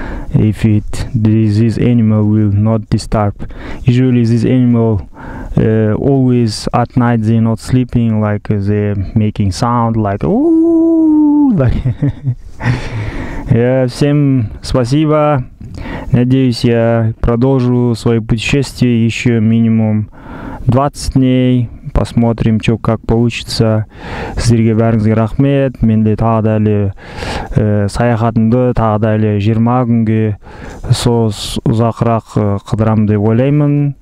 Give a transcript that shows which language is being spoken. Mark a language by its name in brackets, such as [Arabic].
[English] If it this animal will not disturb. Usually this animal always at night they're not sleeping, like they're making sound like ooh, like Yeah, [Russian] всем спасибо. Надеюсь, я продолжу свое путешествие еще минимум 20 дней. Посмотрим, что как получится. [Kazakh] Сізге бәріңізге рахмет. Менде тағы да әлі саяхатымды тағы да әлі 20 күнге сол ұзақырақ қыдырам деп ойлаймын.